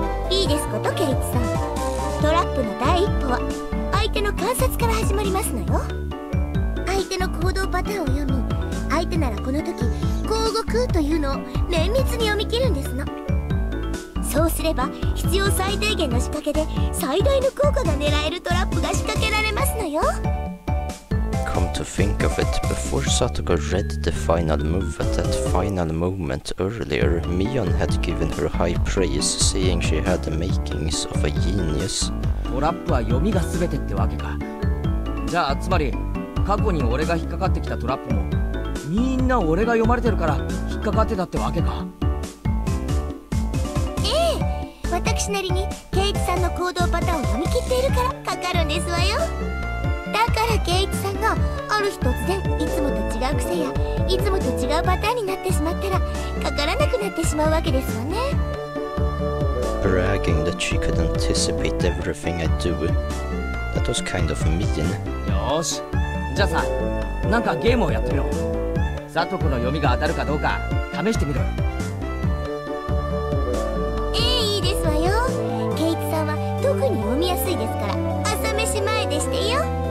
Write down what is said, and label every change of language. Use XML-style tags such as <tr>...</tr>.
<ja>いいですこと、ケイチさん。トラップの第一歩は、相手の観察から始まりますのよ。相手の行動パターンを読み、相手ならこのとき、こう動くというのを綿密に読み切るんですの。そうすれば必要最低限の仕掛けで最大の効果が狙えるトラップが仕掛けられますのよ。</ja> <en>Come to think of it, before Satoko read the final move at that final moment earlier, Mion had given her high praise, saying she had the makings of a genius.</en> <ja>トラップは読みが全てってわけか。じゃあつまり過去に俺が引っかかってきたトラップもみんな俺が読まれてるから引っかかってたってわけか。ええ、私なりにケイチさんの行動パターンを読み切っているからかかるんですわよ。だからケイチさんがある日突然いつもと違う癖やいつもと違うパターンになってしまったらかからなくなってしまうわけですわね。</ja> <en>Bragging that she could anticipate everything I do, that was kind of mean.</en> <ja>よし、じゃあさ、なんかゲームをやってみろ。サトコの読みが当たるかどうか試してみろ。ええ、いいですわよ。ケイチさんは特に読みやすいですから朝飯前でしてよ。</ja>